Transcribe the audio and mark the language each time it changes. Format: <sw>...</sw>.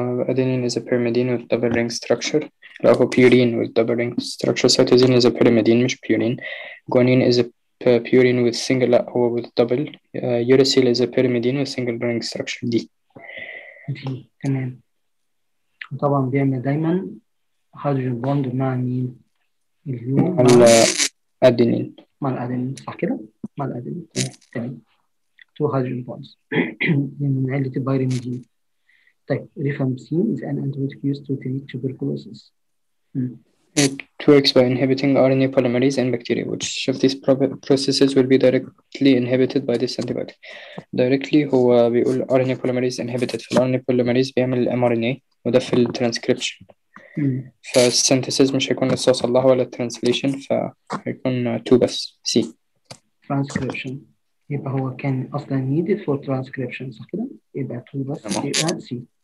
<en>Adenine is a pyrimidine with double ring structure. Lipopurine with double ring structure. Cytosine is a pyrimidine, not purine. Guanine is a purine with single or with double. Uracil is a pyrimidine with single ring structure. D.</en> <ar>تمام. طبعا بيعمل دايما hydrogen bond مع مين؟ الأدينين. مع الأدينين صح كده؟ مع الأدينين. تمام.</ar> <en>Two hydrogen bonds.</en> <ar>من عيلة البيرمدين.</ar> <en>طيب rifampicin is an antibiotic used to treat tuberculosis. It works by inhibiting RNA polymerase and bacteria, which of these processes will be directly inhibited by this antibiotic. Directly, هو بيقول RNA polymerase inhibited.</en> <ar>RNA polymerase بيعمل mRNA وده في الترانسكريبشن. فالسينثيسيس مش هيكون الصوص الله ولا الترانسليشن فهيكون 2 بس C. ترانسكريبشن يبقى هو كان أصلا</ar> <en>needed for transcription</en> <ar>صح كده؟ يبقى 2 بس يبقى C.</ar>